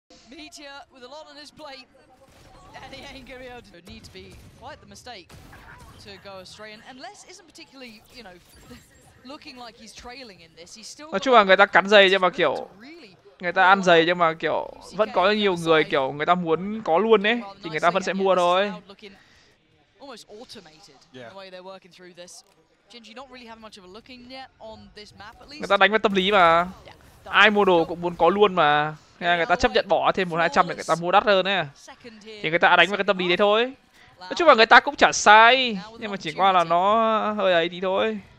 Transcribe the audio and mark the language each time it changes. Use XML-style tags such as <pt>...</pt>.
<en>Meteor with a lot on his plate, and he ain't gonna be able to. Need to be quite the mistake to go astray, and Les isn't particularly, you know, looking like he's trailing in this. He's still.</en> <vi>Nói chung là người ta cắn dày nhưng mà kiểu người ta ăn dày nhưng mà kiểu vẫn có nhiều người kiểu người ta muốn có luôn đấy thì người ta vẫn sẽ mua thôi.</vi> <en>Almost automated the way they're working through this. Gen.G not really having much of a looking yet on this map at least.</en> <vi>Người ta đánh vào tâm lý mà. Ai mua đồ cũng muốn có luôn mà. Nghe người ta chấp nhận bỏ thêm 1-200 để người ta mua đắt hơn ấy. Thì người ta đánh vào cái tâm lý đấy thôi. Nói chung là người ta cũng chả sai, nhưng mà chỉ qua là nó hơi ấy tí thôi.</vi>